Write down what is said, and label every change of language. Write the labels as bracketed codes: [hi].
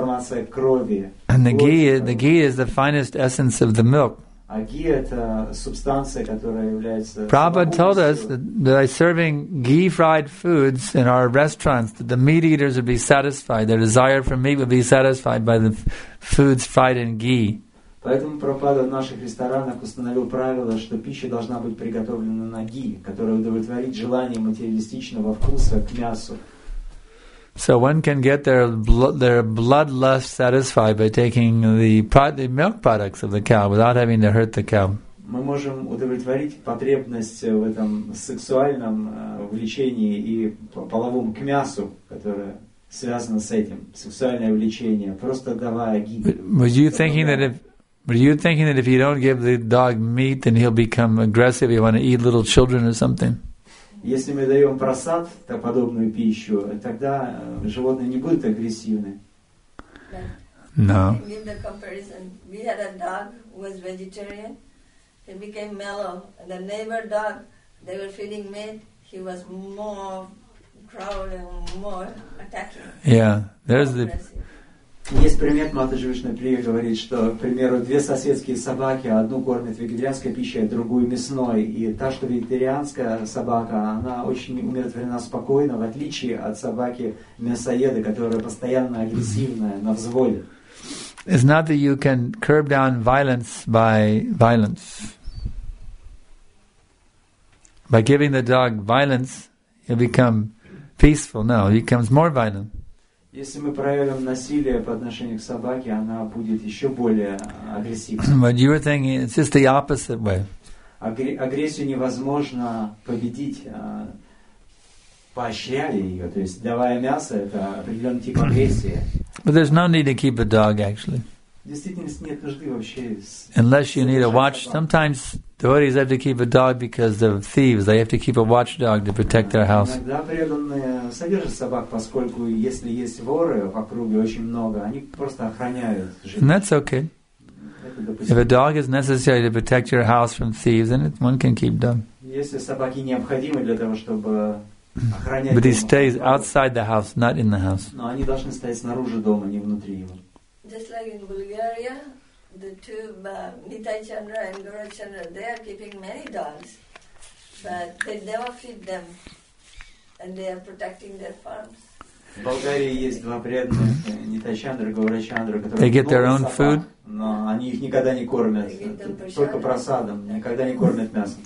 [en] And the ghee is the finest essence of the milk. Prabhupada told us that by serving ghee-fried foods in our restaurants, that the meat eaters would be satisfied, their desire for meat would be satisfied by the foods fried in ghee. [ru] Поэтому Прабхупада в наших ресторанах установил правило, что пища должна быть приготовлена на ги, которая удовлетворит желание материалистичного вкуса к мясу. [en] So one can get their bloodlust satisfied by taking the milk products of the cow without having to hurt the cow. [ru] Мы можем удовлетворить потребность в этом сексуальном влечении и половом к мясу, которое связано с этим, сексуальное влечение, просто давая ги. [en] Were you thinking that if But are you thinking that if you don't give the dog meat, then he'll become aggressive? He'll want to eat little children or something? [ru] Если мы даем просад, то подобную пищу, тогда животные не будут агрессивны. [en] No. I mean the comparison. We had a dog who was vegetarian. He became mellow. The neighbor dog, they were feeding meat. He was more growling, more attacking. Yeah, there's the. [ru] Есть пример, Матаджи Вишнуприя говорит, что, к примеру, две соседские собаки, одну кормят вегетарианской пищей, другую мясной, и та, что вегетарианская собака, она очень умиротворена, спокойно, в отличие от собаки мясоеда, которая постоянно агрессивная, на взводе. [en] It's not that you can curb down violence by violence. By giving the dog violence, he'll become peaceful. No, he becomes more violent. [ru] Если мы проявим насилие по отношению к собаке, она будет еще более агрессивной. [en] But you were thinking it's just the opposite way. [ru] Агрессию невозможно победить, поощряя ее, то есть давая мясо, это определенный тип агрессии. [en] But there's no need to keep a dog, actually. [ru] Действительно, нет нужды вообще. [en] Unless you need a watch. Sometimes devotees have to keep a dog because of thieves. They have to keep a watchdog to protect their house. [ru] Иногда преданные содержат собак, поскольку если есть воры в округе очень много, они просто охраняют жилище. [en] And that's okay. If a dog is necessary to protect your house from thieves, then one can keep them. [ru] Если собаки необходимы для того, чтобы охранять. [en] But he stays outside the house, not in the house. [ru] Но они должны стоять снаружи дома, не внутри его. [en] Just like in Bulgaria, the two Nitaichandra and Gaurachandra, they are keeping many dogs, but they never feed them, and they are protecting their farms. [ru] В Болгарии есть два преданных, Нитайчандра и Гаурачандра, которые [en] They get their own [ru] собак, [en] food? [ru] Но они их никогда не кормят, только просадом, никогда не кормят мясом.